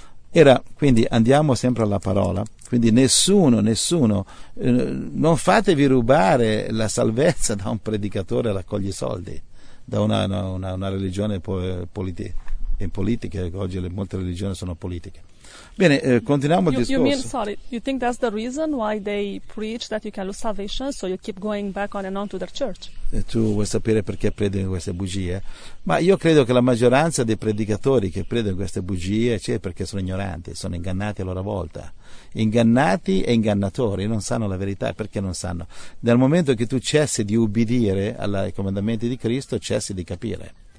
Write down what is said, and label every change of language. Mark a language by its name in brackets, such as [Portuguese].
[Italian] Era, quindi andiamo sempre alla parola. Quindi nessuno, non fatevi rubare la salvezza da un predicatore a raccogliere soldi, da una religione politica, oggi molte religioni sono politiche. Bene, continuiamo il discorso. [English] You think that's the reason why they preach that you can lose salvation, so you keep going back on and on to their church? [Italian] E tu vuoi sapere perché credono in queste bugie? Ma io credo che la maggioranza dei predicatori che credono in queste bugie, cioè, perché sono ignoranti, sono ingannati a loro volta. Ingannati e ingannatori, non sanno la verità. Perché non sanno? Dal momento che tu cessi di ubbidire ai comandamenti di Cristo, cessi di capire.